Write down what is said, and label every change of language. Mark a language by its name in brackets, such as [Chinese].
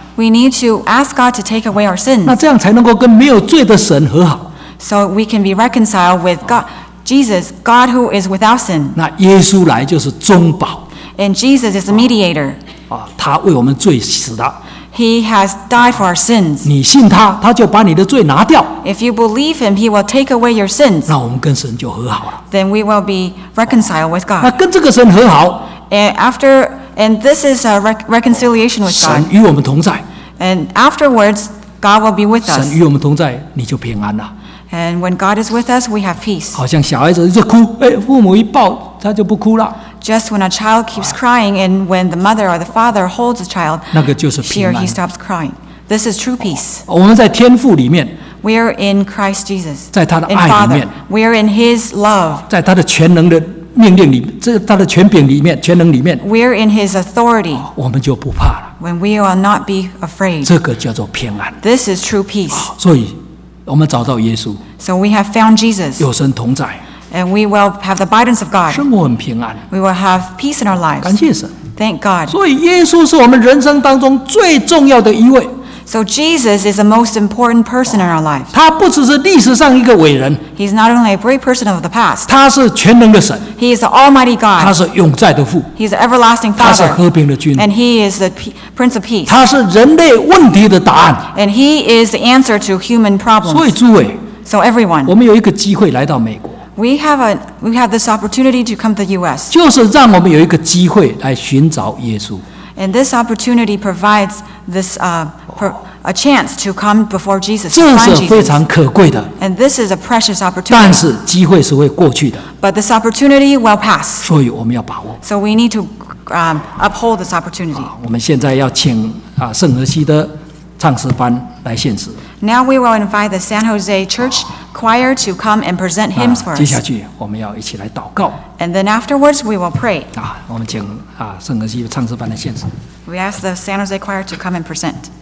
[English] We need to ask God to take away our sins. [Chinese] 那这样才能够跟没有罪的神和好。 [English] So we can be reconciled with God, Jesus, God who is without sin. [Chinese] 那耶稣来就是中保。 [English] And Jesus is the mediator. [Chinese] 他为我们罪死的。 [English] He has died for our sins. [Chinese] 你信他，他就把你的罪拿掉。 [English] If you believe him, he will take away your sins. [Chinese] 那我们跟神就和好了。 [English] Then we will be reconciled with God. [Chinese] 那跟这个神和好。 [English] And this is a reconciliation with God. [Chinese] 神与我们同在。 [English] And afterwards, God will be with us. [Chinese] 神与我们同在，你就平安了。 [English] And when God is with us, we have peace. [Chinese] 好像小孩子一直哭，父母一抱，他就不哭了。 [English] Just when a child keeps crying, and when the mother or the father holds the child, [Chinese] 那个就是平安。 [English] She or he stops crying. This is true peace. [Chinese] 我们在天父里面。 [English] We are in Christ Jesus. [Chinese] 在他的爱里面。 [English] We are in His love. [Chinese] 在他的全能的命令里，这他的权柄里面，全能里面。 [English] We're in His authority. [Chinese] 我们就不怕了。 [English] When we will not be afraid. [Chinese] 这个叫做平安。 [English] This is true peace. [Chinese] 所以，我们找到耶稣。 [English] So we have found Jesus. [Chinese] 有神同在。 [English] And we will have the guidance of God. [Chinese] 生活很平安。 [English] We will have peace in our lives. [Chinese] 感谢神。 [English] Thank God. [Chinese] 所以耶稣是我们人生当中最重要的一位。 [English] So Jesus is the most important person in our lives. [Chinese] 他不只是历史上一个伟人。 [English] He's not only a great person of the past. [Chinese] 他是全能的神。 [English] He is the Almighty God. [Chinese] 他是永在的父。 [English] He's the everlasting Father. [Chinese] 他是和平的君。 [English] And he is the Prince of Peace. [Chinese] 他是人类问题的答案。 [English] And he is the answer to human problems. [Chinese] 所以诸位。 [English] So everyone. [Chinese] 我们有一个机会来到美国。 [English] We have this opportunity to come to the U.S. [Chinese] 就是让我们有一个机会来寻找耶稣。 [English] And this opportunity provides this a chance to come before Jesus. [Chinese] 这是非常可贵的。 [English] And this is a precious opportunity. [Chinese] 但是机会是会过去的。 [English] But this opportunity will pass. [Chinese] 所以我们要把握。 [English] So we need to uphold this opportunity. [Chinese] 我们现在要请圣何西的唱诗班来献诗。 [English] Now we will invite the San Jose Church Choir to come and present hymns for us. [Chinese] 接下去我们要一起来祷告。 [English] And then afterwards we will pray. [Chinese] 我们请圣何西唱诗班来献诗。 [English] We ask the San Jose Choir to come and present.